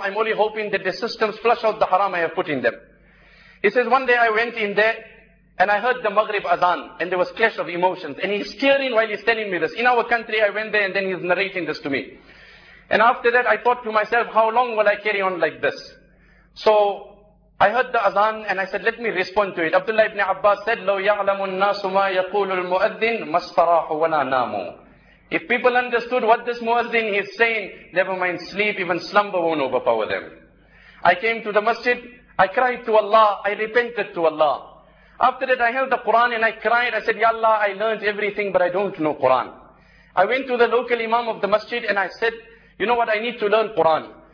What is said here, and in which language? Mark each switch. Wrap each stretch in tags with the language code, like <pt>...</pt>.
<en>I'm only hoping that the systems flush out the haram I have put in them. He says, one day I went in there and I heard the Maghrib Adhan and there was clash of emotions. And he's tearing while he's telling me this. In our country, I went there and then he's narrating this to me. And after that, I thought to myself, how long will I carry on like this? So I heard the Adhan and I said, let me respond to it. Abdullah ibn Abbas said,</en> <ar>لو يعلم الناس ما يقول المؤذن ما استراحوا ولا ناموا.</ar> <en>If people understood what this muazzin is saying, never mind sleep, even slumber won't overpower them. I came to the masjid, I cried to Allah, I repented to Allah. After that I held the Quran and I cried, I said, Ya Allah, I learned everything but I don't know Quran. I went to the local imam of the masjid and I said, you know what, I need to learn Quran.</en>